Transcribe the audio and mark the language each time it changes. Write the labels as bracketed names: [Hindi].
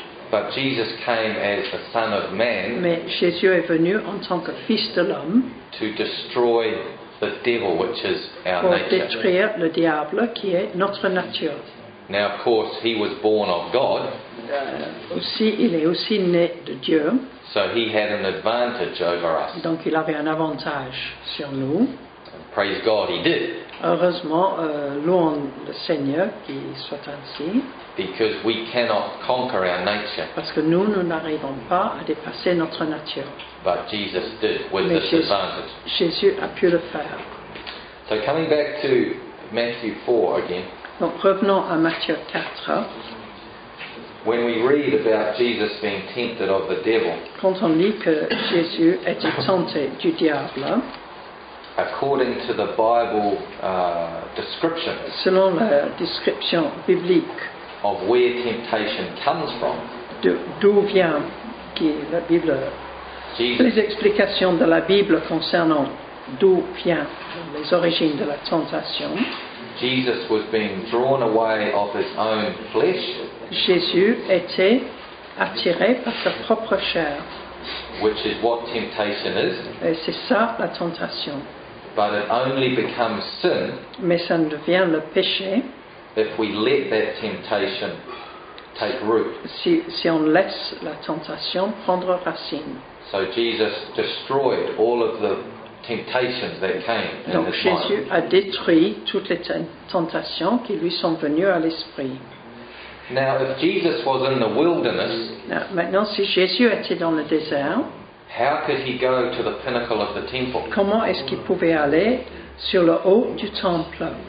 [English] But Jesus came as the Son of Man. [French] Mais Jésus est venu en tant que Fils de l'homme. [English] To destroy the devil, which is our [French] pour [English] nature. [French] Pour détruire le diable, qui est notre nature. [English] Now, of course, he was born of God. [French] Aussi, il est aussi né de Dieu. [English] So he had an advantage over us. [French] Donc, il avait un avantage sur nous. [English] Praise God, he did. [French] Heureusement, louons le Seigneur qu'il soit ainsi. [English] Because we cannot conquer our nature. [French] Parce que nous, nous n'arrivons pas à dépasser notre nature. [English] But Jesus did with [French] Mais [English] this Jesus, advantage. [French] Jésus a pu le faire. [English] So coming back to Matthew 4 again. [French] Donc revenons à Matthieu 4. [English] When we read about Jesus being tempted of the devil. [French] Quand on lit que Jésus était tenté du diable. [English] According to the Bible description. [French] Selon la description biblique. [English] Of where temptation comes from. [French] D'où vient la Bible? [English] Jesus. [French] Les explications de la Bible concernant d'où vient les origines de la tentation. [English] Jesus was being drawn away of his own flesh. [French] Jésus était attiré par sa propre chair. [English] Which is what temptation is. [French] Et c'est ça la tentation. [English] But it only becomes sin. [French] Mais ça devient le péché. [English] If we let that temptation take root. [French] Si on laisse la tentation prendre racine. [English] So Jesus destroyed all of the temptations that came. [French] Donc Jésus a détruit toutes les tentations qui lui sont venues à l'esprit. [English] Now if Jesus was in the wilderness. [French] Now, maintenant si Jésus était dans le désert. [English] How could he go to the pinnacle of the temple? [French] Comment est-ce qu'il pouvait aller sur le haut du temple?